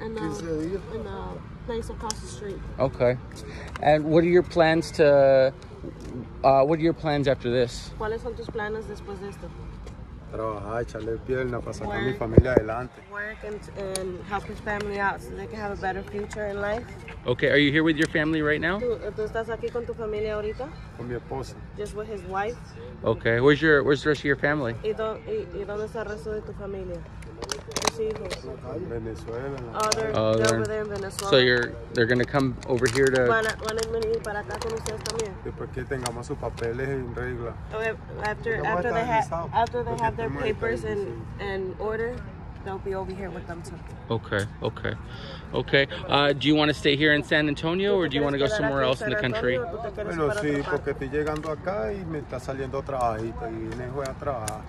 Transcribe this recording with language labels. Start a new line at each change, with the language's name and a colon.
English: In Texas, he's been here two weeks and a half, but he stays over there in the place across the street. Okay. And what are your plans to, what are your plans after this?
Spanish: ¿Cuáles son tus planes después de esto? Trabajar, echarle pierna para sacar mi familia adelante.
English: Work and help his family out so they can have a better future in life. Okay, are you here with your family right now?
Spanish: ¿Tú estás aquí con tu familia ahorita? Con mi esposa.
English: Just with his wife. Okay, where's the rest of your family?
Spanish: ¿Y dónde está el resto de tu familia? Tus hijos. Venezuela.
English: They're over there in Venezuela. So they're going to come over here to...
Spanish: ¿Van a venir para acá con ustedes también? Después que tengamos sus papeles en regla.
English: After they have their papers in order... They'll be over here with them too. Okay, okay, okay. Do you want to stay here in San Antonio or do you want to go somewhere else in the country?
Spanish: Bueno, sí, porque estoy llegando acá y me está saliendo trabajo y me voy a trabajar.